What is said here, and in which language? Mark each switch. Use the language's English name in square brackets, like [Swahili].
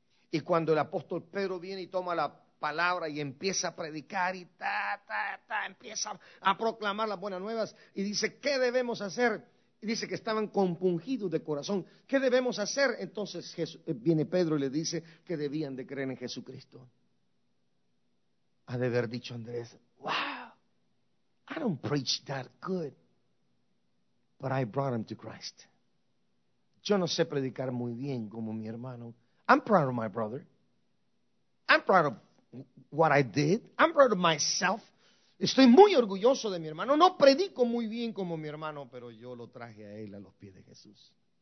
[Spanish] Y cuando el apóstol Pedro viene y toma la palabra y empieza a predicar y empieza a proclamar las buenas nuevas y dice, ¿qué debemos hacer? Y dice que estaban compungidos de corazón. ¿Qué debemos hacer? Entonces viene Pedro y le dice que debían de creer en Jesucristo. Ha de haber dicho [English] Andrés, wow, I don't preach that good, but I brought him to Christ. [Spanish] Yo no sé predicar muy bien como mi hermano. [English] I'm proud of my brother. I'm proud of what I did. I'm proud of myself. [Spanish] Estoy muy orgulloso de mi hermano. No predico muy bien como mi hermano, pero yo lo traje a él a los pies de Jesús.